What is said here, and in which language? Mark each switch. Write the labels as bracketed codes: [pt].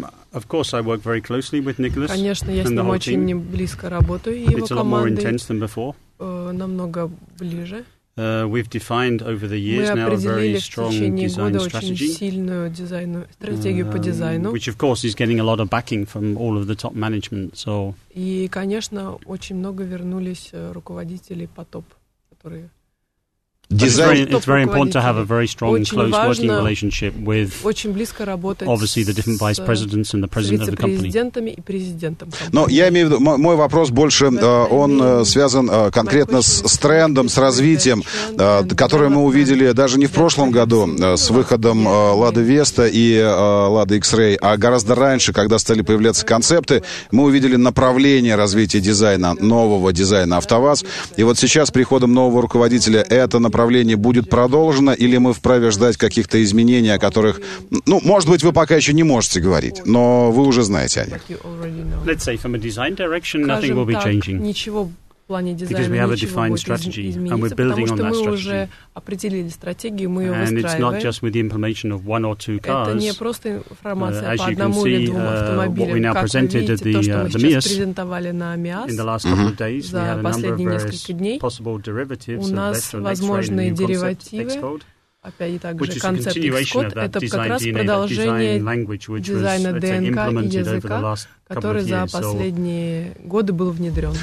[en] Of course, I work very closely with Nicholas. [ru] Конечно, я с ним очень близко работаю, и его [en] командой. It's a lot more intense than before. [ru] Намного ближе. [en] We've defined over the years now a very strong design strategy. [ru] Мы определили в течение года очень сильную стратегию по дизайну. [en] Which, of course, is getting a lot of backing from all of the top management. So. [ru] И, конечно, очень много вернулись руководители по топ, которые. [en] It's very important to have a very strong and close working relationship with obviously the different vice presidents and the president of the company. [ru] Но я имею в виду, мой вопрос больше, он связан конкретно с трендом, с развитием, которое мы увидели даже не в прошлом году с выходом Lada Vesta и Lada X-Ray, а гораздо раньше, когда стали появляться концепты, мы увидели направление развития дизайна, нового дизайна АвтоВАЗ. И вот сейчас с приходом нового руководителя это направление будет продолжено, или мы вправе ждать каких-то изменений, о которых, ну, может быть, вы пока еще не можете говорить, но вы уже знаете о них. [en] Let's say from a design direction, nothing will be changing. [ru] Ничего в плане дизайна не изменится, потому что мы уже определили стратегию, мы ее выстраиваем. [en] And it's not just with the implementation of one or two cars. [ru] Это не просто информация по одному или двум автомобилям, как вы видите, то, что мы сейчас презентовали на МИАС за последние несколько дней. У нас возможные деривативы. опять и также концепт X-код, это как раз продолжение дизайна ДНК языка, который за последние годы был внедрен.